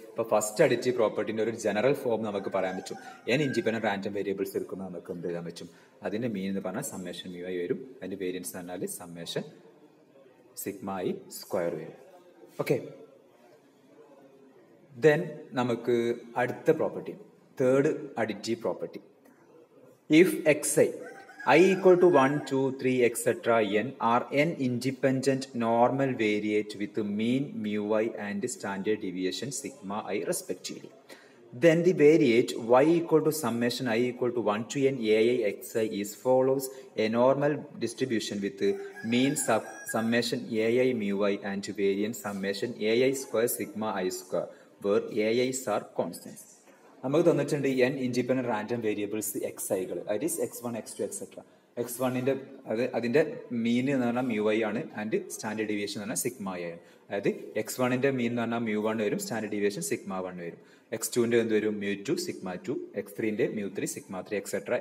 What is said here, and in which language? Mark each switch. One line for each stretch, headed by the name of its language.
Malayalam: ഇപ്പോൾ first additive പ്രോപ്പർട്ടിൻ്റെ ഒരു general form നമുക്ക് പറയാൻ പറ്റും, എൻ ഇൻഡിപെൻഡൻറ്റ് റാൻഡം വേരിയബിൾസ് എടുക്കുന്ന നമുക്ക് എന്ത് ചെയ്യാൻ പറ്റും, അതിൻ്റെ മീൻ എന്ന് പറഞ്ഞാൽ സമ്മേഷൻ മ്യൂ ഐ വരും, അതിൻ്റെ വേരിയൻസ് പറഞ്ഞാൽ സമ്മേഷൻ സിഗ്മ ഐ സ്ക്വയർ വരും. ഓക്കെ, ദെൻ നമുക്ക് അടുത്ത property, third additive property.
English: If xi, I equal to 1, 2, 3, etc. n are n independent normal variate with mean mu i and standard deviation sigma i respectively. Then the variate y equal to summation I equal to 1 to n ai xi is follows a normal distribution with mean summation ai mu i and variance summation ai square sigma i square where ai's are constants.
Malayalam: നമുക്ക് തന്നിട്ടുണ്ട് N independent random variables X ഐകൾ,
English: That is X one, X two, etcetera.
Malayalam: X വണ്ണിൻ്റെ അത് അതിൻ്റെ മീൻ എന്ന് പറഞ്ഞാൽ mu I ആണ്, and standard deviation എന്ന് പറഞ്ഞാൽ സിഗ്മ ഐ ആണ്. അതായത് എക്സ് വണ്ണിൻ്റെ മീൻ എന്ന് പറഞ്ഞാൽ മ്യൂ വൺ വരും, സ്റ്റാൻഡേർഡ് ഡീവിയേഷൻ സിഗ്മ വൺ വരും. എക്സ് ടുവിൻ്റെ എന്ത് വരും, mu two, sigma to. X ത്രീൻ്റെ mu three, sigma three, etcetera.